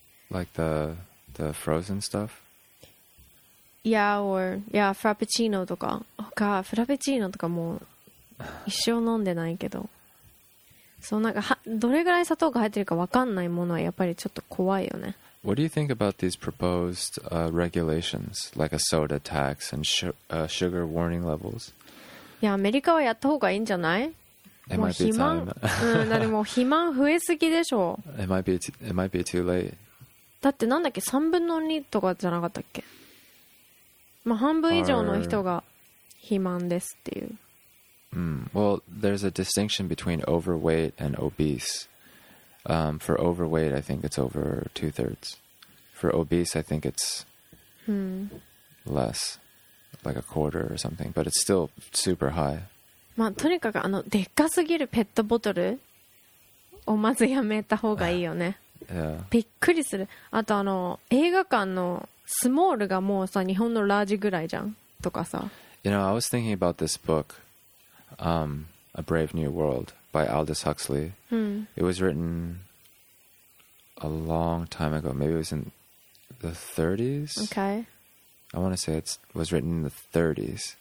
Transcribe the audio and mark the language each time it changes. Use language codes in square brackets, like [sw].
[en] Like the frozen stuff? Yeah, or yeah, frappuccino [ja] とか。か、フラペチーノとかも一生飲んでないけど。そう、なんかどれぐらい砂糖が入ってるか分かんないものはやっぱりちょっと怖いよね。 [en] What do you think about these proposed regulations, like a soda tax and sugar warning levels? [ja] いや、アメリカはやった方がいいんじゃない？ [en] It might be time. [ja] でも肥満増えすぎでしょ。 [en] It might be too late. [ja] だってなんだっけ、3分の2とかじゃなかったっけ、まあ、半分以上の人が肥満ですっていう。 [en] Well, there's a distinction between overweight and obese. For overweight, I think it's over 2/3. For obese, I think it's less, like a quarter or something. But it's still super high. [ja] まあ、とにかくでっかすぎるペットボトルをまずやめた方がいいよね。 [en] Yeah. [ja] びっくりする。あと映画館のスモールがもうさ、日本のラージぐらいじゃんとかさ。 [en] You know, I was thinking about this book, A Brave New World by Aldous Huxley. It was written a long time ago. Maybe it was in the 30s. Okay. I want to say it was written in the 30s.